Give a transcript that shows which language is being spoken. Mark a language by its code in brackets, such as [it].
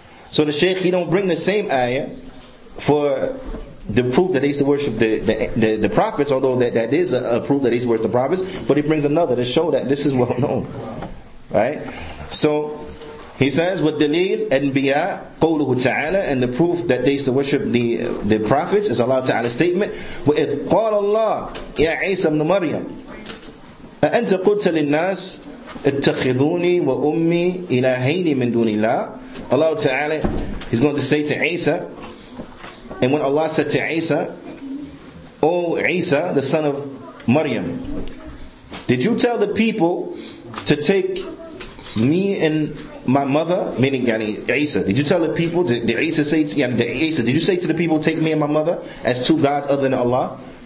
[en] So the Shaykh, he don't bring the same ayah for the proof that they used to worship the prophets, although that is a proof that they used to worship the prophets, but he brings another to show that this is well known. Right? So he says, with [ar] dalil anbiya qawluhu ta'ala, [en] and the proof that they used to worship the prophets is Allah Ta'ala's statement. [ar] Wa idh qala Allah ya Isa ibn Maryam, أأنت قلت للناس اتخذوني وأمي إلهين من دون الله. [en] Allah Ta'ala is going to say to Isa, and when Allah said to Isa, O Isa, the son of Maryam, did you tell the people to take me and my mother, meaning yani Isa, did you tell the people, did you say to the people, take me and my mother as two gods other than Allah?